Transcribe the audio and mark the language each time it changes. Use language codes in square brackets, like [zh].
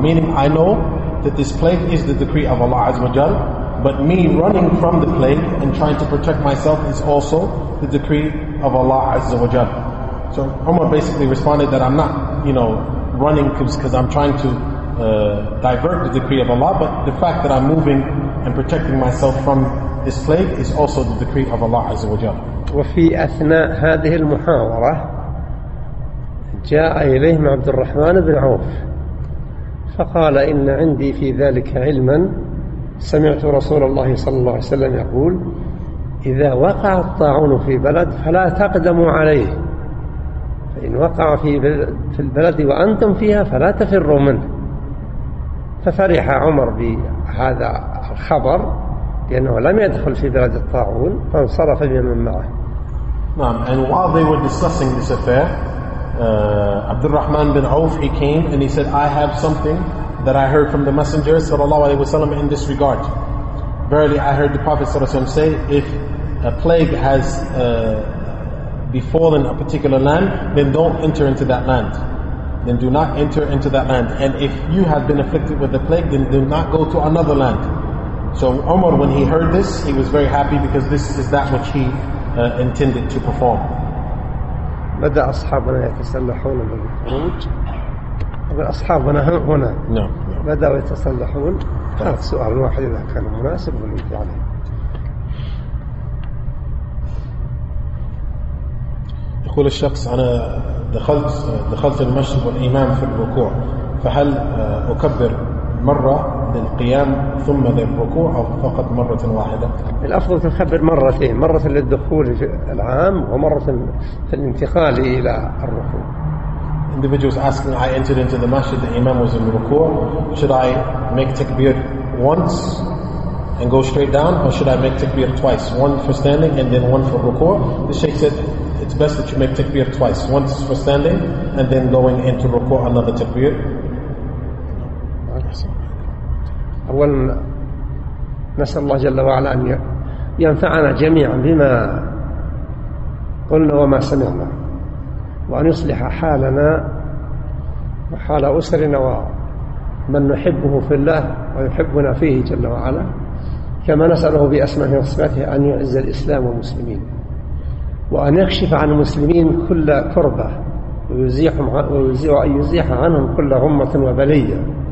[en] Meaning, I know that this plague is the decree of Allah Azza wa Jal, but me running from the plague and trying to protect myself is also the decree of Allah Azza wa Jal. So Umar basically responded that I'm not, you know, running because I'm trying to divert the decree of Allah, but the fact that I'm moving and protecting myself from this plague is also the decree of Allah Azza wa Jal. [ar] وفي أثناء هذه المحاورة جاء إليهم عبد الرحمن بن عوف فقال: إن عندي في ذلك علما، سمعت رسول الله صلى الله عليه وسلم يقول: إذا وقع الطاعون في بلد فلا تقدموا عليه، فإن وقع في البلد وأنتم فيها فلا تفروا منه. ففرح عمر بهذا الخبر لأنه لم يدخل في بلد الطاعون، فانصرف بمن معه. نعم. [en] And while they were discussing this affair, عبد الرحمن بن عوف, he came and he said, I have something that I heard from the Messenger صلى الله عليه وسلم in this regard. Verily I heard the Prophet صلى الله عليه وسلم say, if a plague has befallen a particular land, then don't enter into that land. Then do not enter into that land. And if you have been afflicted with the plague, then do not go to another land. So Umar, when he heard this, he was very happy because this is that which he intended to perform. [ar] بدأ أصحابنا يتسلحون بالخروج. أصحابنا هنا. [en] No. [ar] بدأوا يتسلحون. هذا السؤال الواحد إذا كان مناسب والإجابة عليه. يقول الشخص: أنا دخلت المسجد والإمام في الركوع، فهل أكبر مرة للقيام ثم للركوع أو فقط مرة واحدة؟ الأفضل تكبر مرتين، مرة للدخول العام ومرة في الانتقال إلى الركوع. [en] Individuals asking, I entered into the masjid, the imam was in the ruku, should I make takbir once and go straight down, or should I make takbir twice, one for standing and then one for ruku? The Sheikh said, it's best that you make takbir twice, once for standing and then going into ruku another takbir. [ar] أولا نسأل الله جل وعلا أن ينفعنا جميعا بما قلنا وما سمعنا، وأن يصلح حالنا وحال أسرنا ومن نحبه في الله ويحبنا فيه جل وعلا، كما نسأله بأسمائه وصفاته أن يعز الإسلام والمسلمين، وأن يكشف عن المسلمين كل كربة ويزيح عنهم كل غمة وبلية،